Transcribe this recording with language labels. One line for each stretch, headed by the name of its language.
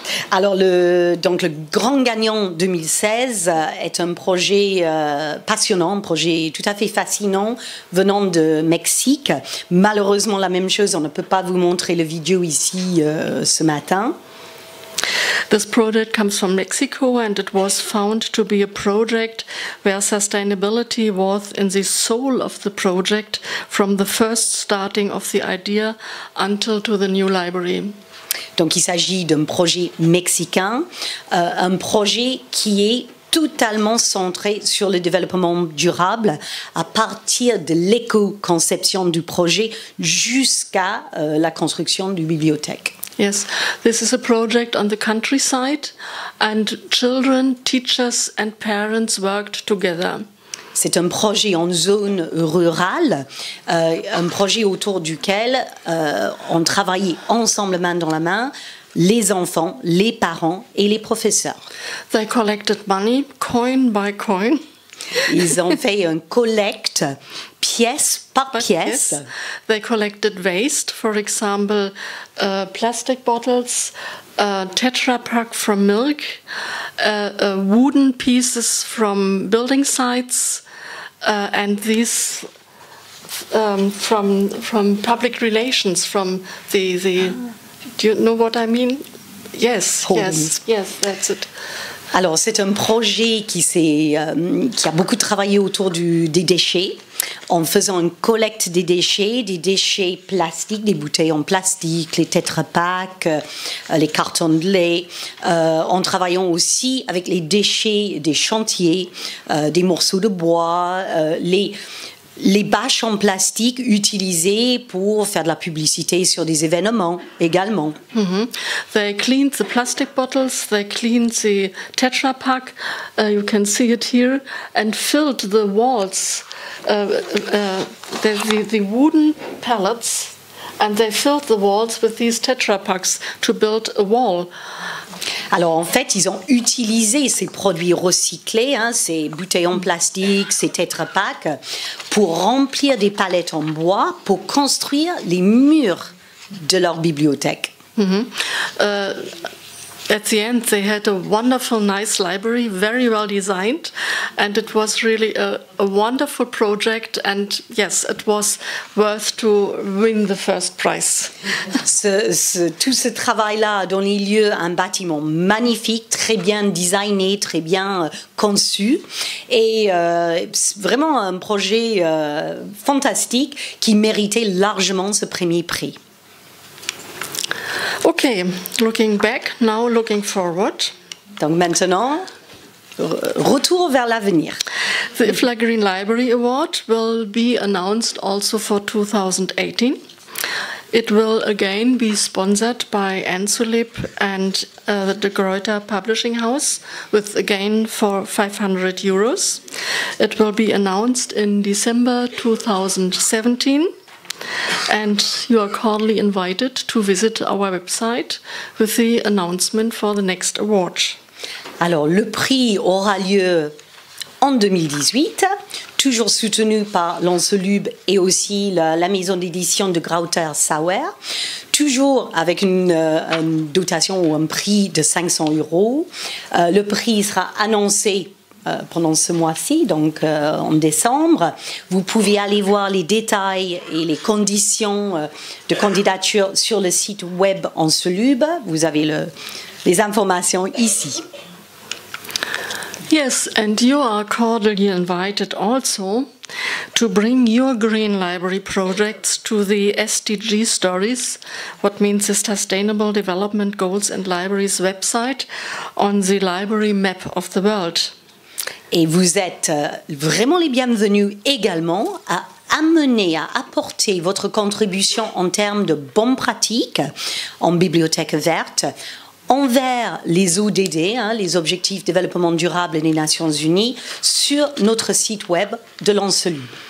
French: Alors, le grand gagnant 2016 est un projet passionnant, un projet tout à fait fascinant, venant de Mexique. Malheureusement, la même chose, on ne peut pas vous montrer la vidéo ici ce matin.
English: This project comes from Mexico, and it was found to be a project where sustainability was in the soul of the project from the first starting of the idea until to the new library.
French: Donc il s'agit d'un projet mexicain, un projet qui est totalement centré sur le développement durable à partir de l'éco-conception du projet jusqu'à la construction du bibliothèque.
English: Yes, this is a project on the countryside, and children, teachers and parents worked together.
French: C'est un projet en zone rurale, un projet autour duquel on travaillait ensemble main dans la main, les enfants, les parents et les professeurs.
English: They collected money, coin by coin.
French: Ils ont fait un collecte pièce par pièce.
English: Yes, they collected waste, for example, plastic bottles, Tetra Pak from milk, wooden pieces from building sites, and these from public relations, from the do you know what I mean? Yes, homes. Yes, that's it.
French: Alors, c'est un projet qui a beaucoup travaillé autour des déchets, en faisant une collecte des déchets plastiques, des bouteilles en plastique, les tétrapacks, les cartons de lait, en travaillant aussi avec les déchets des chantiers, des morceaux de bois, les les bâches en plastique utilisées pour faire de la publicité sur des événements également. Mm-hmm.
English: They cleaned the plastic bottles, they cleaned the Tetra Pak, you can see it here, and filled the walls, the wooden pallets, and they filled the walls with these Tetra Paks to build a wall.
French: Alors, en fait, ils ont utilisé ces produits recyclés, hein, ces bouteilles en plastique, ces Tetra Pak, pour remplir des palettes en bois pour construire les murs de leur bibliothèque. Mm-hmm.
English: At the end, they had a wonderful, nice library, very well designed, and it was really a wonderful project, and yes, it was worth to win the first prize.
French: Tout ce travail-là a donné lieu à un bâtiment magnifique, très bien designé, très bien conçu, et vraiment un projet fantastique qui méritait largement ce premier prix.
English: Okay, looking back, now looking forward.
French: Donc maintenant, retour vers l'avenir.
English: The IFLA Green Library Award will be announced also for 2018. It will again be sponsored by ENSULIB and the Greuter Publishing House with again for 500 euros. It will be announced in December 2017. And you are cordially invited to visit our website with the announcement for the next award.
French: Alors, le prix aura lieu en 2018, toujours soutenu par l'ENSULIB et aussi la maison d'édition de Greuter Sauer, toujours avec une dotation ou un prix de 500 euros. Le prix sera annoncé pendant ce mois-ci, donc en décembre. Vous pouvez aller voir les détails et les conditions de candidature sur le site web ENSULIB. Vous avez les informations ici.
English: Yes, and you are cordially invited also to bring your green library projects to the SDG stories, what means the Sustainable Development Goals and Libraries website on the library map of the world.
French: Et vous êtes vraiment les bienvenus également à amener, à apporter votre contribution en termes de bonnes pratiques en bibliothèque verte envers les ODD, hein, les Objectifs Développement Durable des Nations Unies, sur notre site web de l'ENSULIB.